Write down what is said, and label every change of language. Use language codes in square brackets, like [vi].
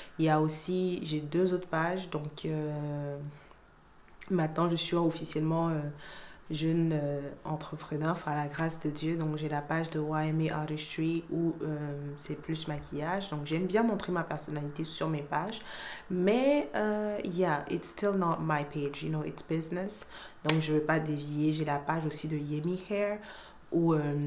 [fr] Il y a aussi, j'ai deux autres pages. Donc, maintenant, je suis officiellement jeune entrepreneur, enfin, à la grâce de Dieu. Donc, j'ai la page de YMA Artistry où c'est plus maquillage. Donc, j'aime bien montrer ma personnalité sur mes pages. [en] Mais, yeah, it's still not my page. You know, it's business. [fr] Donc, je ne veux pas dévier. J'ai la page aussi de Yemi Hair où...